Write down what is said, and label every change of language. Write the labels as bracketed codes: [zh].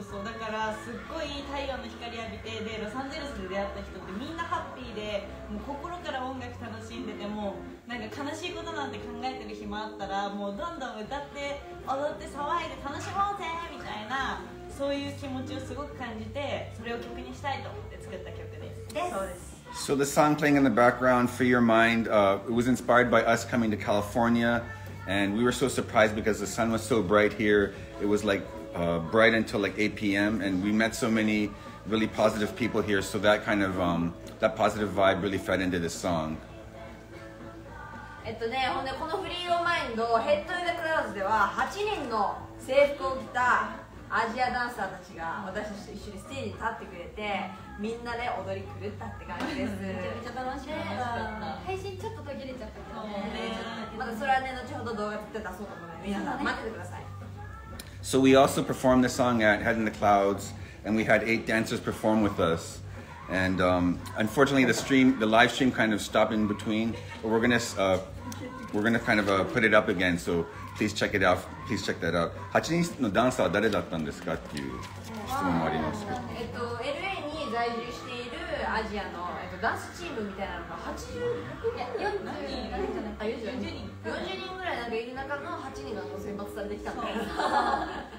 [ja] そうだからすっごい太陽の光浴びて、でロサンゼルスで出会った人ってみんなハッピーで、もう心から音楽楽しんでて、もうなんか悲しいことなんて考えてる暇あったらもうどんどん歌って踊って騒いで楽しもうぜみたいな、そういう気持ちをすごく感じて、それを曲にしたいと思って作った曲です。でそうです。 [en] So the song playing in the background, Free Your Mind, it was inspired by us coming to California, and we were so surprised because the sun was so bright here. It was like bright until like 8 p.m. and we met so many really positive people here, so that kind of, that positive vibe really fed into this song. Free Your Mind, Head to the Clouds, there were 8 people in the uniform of the Asian dancers who stood on stage. [ja] みんなで踊り狂ったって感じです。めちゃめちゃ楽しかった。配信ちょっと途切れちゃったけど、またそれはね、後ほど動画撮って出そうと思うので、皆さん待っててください。 [en] So we also performed the song at Head in the Clouds, and we had 8 dancers perform with us. And unfortunately, the live stream kind of stopped in between. But we're gonna kind of put it up again. So please check it out. Please check that out. [ja] 8人のダンサーは誰だったんですかっていう質問もありますけど。 LA に在住しているアジアの、ダンスチームみたいなのが40人ぐらいなんかいる中の8人が選抜されてきたみたいな。